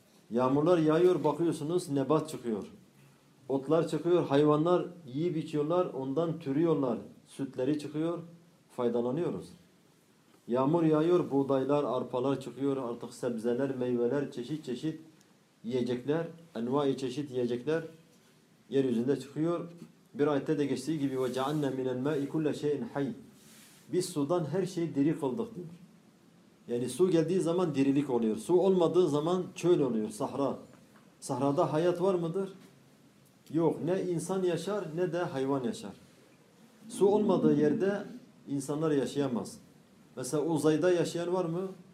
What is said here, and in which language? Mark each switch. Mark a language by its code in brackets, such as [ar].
[tr] Yağmurlar yağıyor, bakıyorsunuz nebat çıkıyor. Otlar çıkıyor, hayvanlar yiyip içiyorlar, ondan türüyorlar, sütleri çıkıyor, faydalanıyoruz. Yağmur yağıyor, buğdaylar, arpalar çıkıyor, artık sebzeler, meyveler, çeşit çeşit yiyecekler, envai çeşit yiyecekler yeryüzünde çıkıyor. [ar] Bir ayette de geçtiği gibi وَجَعَلْنَا مِنَ الْمَاءِ كُلَّ شَيْءٍ حَيٍّ. [tr] Biz sudan her şeyi diri kıldık diyor. Yani su geldiği zaman dirilik oluyor, su olmadığı zaman çöl oluyor, sahra. Sahrada hayat var mıdır? Yok, ne insan yaşar ne de hayvan yaşar. Su olmadığı yerde insanlar yaşayamaz. Mesela uzayda yaşayan var mı?